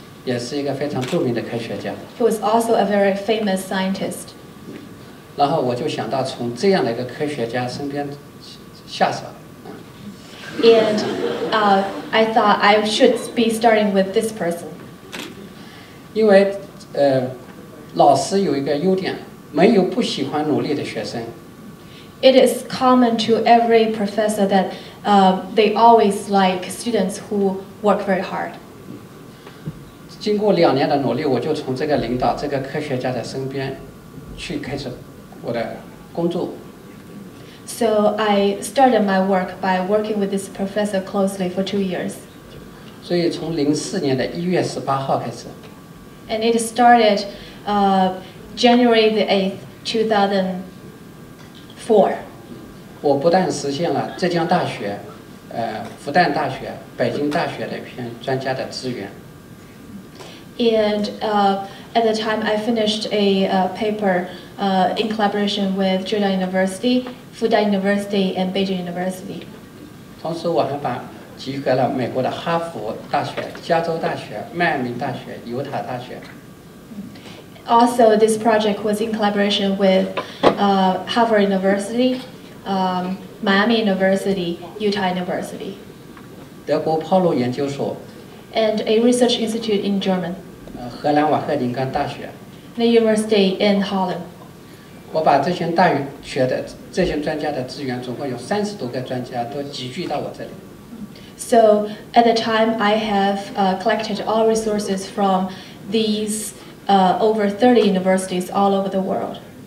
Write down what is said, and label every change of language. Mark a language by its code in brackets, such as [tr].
[zh] 也是一个非常著名的科学家。 [en] He was also a very famous scientist. [zh] 然后我就想到从这样的一个科学家身边下手。 [en] And I thought I should be starting with this person. [zh] 因为老师有一个优点，没有不喜欢努力的学生。 [en] It is common to every professor that they always like students who work very hard. [zh] 经过两年的努力，我就从这个领导、这个科学家的身边去开始我的工作。 [en] So I started my work by working with this professor closely for 2 years. [zh] 所以从04年的1月18号开始。 [en] And it started January the 8th, 2004. [zh] 我不但实现了浙江大学、复旦大学、北京大学的一篇专家的资源。 [en] And at the time I finished a paper in collaboration with Zhejiang University,复旦 University and Beijing University. [zh] 同时我还把集合了美国的哈佛大学、加州大学、迈阿密大学、犹他大学。 [en] Also, this project was in collaboration with Harvard University, Miami University, Utah University. [zh] 德国帕洛研究所。 [en] And a research institute in German. [zh] 荷兰瓦赫林根大学。 [en] The University in Holland. [zh] 我把这些大学的这些专家的资源，总共有30多个专家都集聚到我这里。 [en] So at the time, I have collected all resources from these over 30 universities all over the world.